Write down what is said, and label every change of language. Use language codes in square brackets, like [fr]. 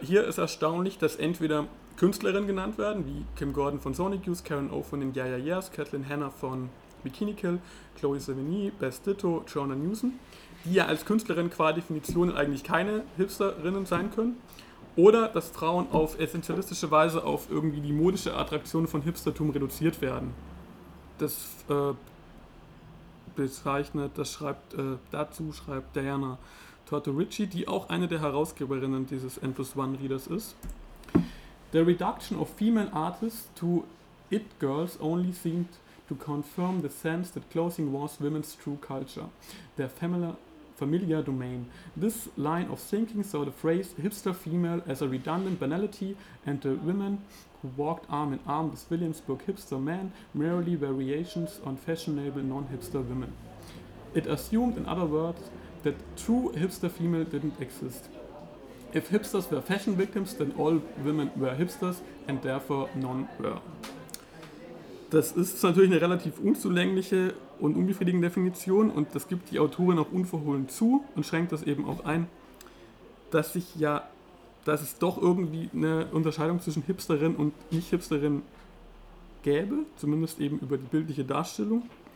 [de] Hier ist erstaunlich, dass entweder Künstlerinnen genannt werden, wie Kim Gordon von Sonic Youth, Karen O von den Yeah Yeah Yeahs, Kathleen Hanna von Bikini Kill, Chloe Sevigny, Best Ditto, Jonah Newsom, die ja als Künstlerin qua Definition eigentlich keine Hipsterinnen sein können, oder dass Frauen auf essentialistische Weise auf irgendwie die modische Attraktion von Hipstertum reduziert werden. Das bezeichnet, das schreibt, dazu schreibt Diana Tortorici, die auch eine der Herausgeberinnen dieses N plus One Readers ist. [en] The reduction of female artists to it girls only seemed to confirm the sense that clothing was women's true culture, their familiar domain. This line of thinking saw the phrase hipster female as a redundant banality, and the women who walked arm in arm with Williamsburg hipster men merely variations on fashionable non-hipster women. It assumed, in other words, that true hipster female didn't exist. If hipsters were fashion victims, then all women were hipsters and therefore none were. [de] Das ist natürlich eine relativ unzulängliche und unbefriedigende Definition, und das gibt die Autorin auch unverhohlen zu und schränkt das eben auch ein, dass es doch irgendwie eine Unterscheidung zwischen Hipsterin und Nicht-Hipsterin gäbe, zumindest eben über die bildliche Darstellung.